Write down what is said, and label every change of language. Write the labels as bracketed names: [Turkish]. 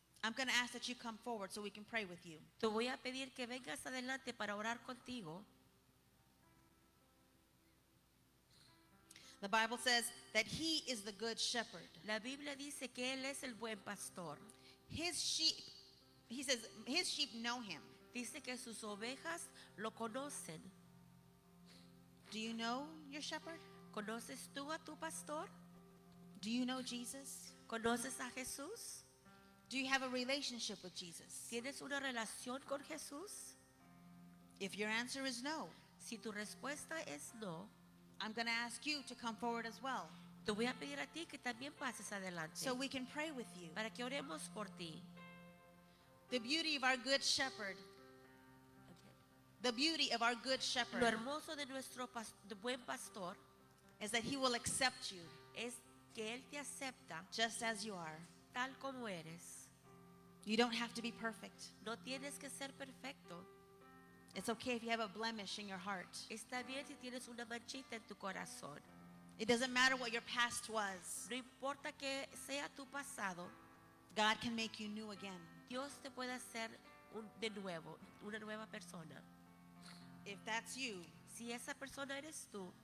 [English] I'm going to ask that you come forward so we can pray with you. [Spanish] Te voy a pedir que vengas adelante para orar contigo. [English] The Bible says that he is the good shepherd. [Spanish] La Biblia dice que él es el buen pastor. [English] His sheep, he says, his sheep know him. [Spanish] Dice que sus ovejas lo conocen. [English] Do you know your shepherd? [Spanish] ¿Conoces tú a tu pastor? [English] Do you know Jesus? [Spanish] ¿Conoces a Jesús? [English] Do you have a relationship with Jesus? [Spanish] ¿Tienes una relación con Jesús? [English] If your answer is no, [Spanish] si tu respuesta es no, [English] I'm going to ask you to come forward as well. [Spanish] Te voy a pedir a ti que también pases adelante. [English] So we can pray with you. [Spanish] Para que oremos por ti. [English] The beauty of our good shepherd. Okay. The beauty of our good shepherd. [Spanish] Lo hermoso de nuestro buen pastor [English] is that he will accept you. [Spanish] Es que él te acepta. [English] Just as you are. [Spanish] Tal como eres. [English] You don't have to be perfect. [Spanish] No tienes que ser perfecto. [English] It's okay if you have a blemish in your heart. [Spanish] Está bien si tienes una manchita en tu corazón. [English] It doesn't matter what your past was. [Spanish] No importa que sea tu pasado. [English] God can make you new again. [Spanish] Dios te puede hacer de nuevo, una nueva persona. [English] If that's you, [Spanish] si esa persona eres tú,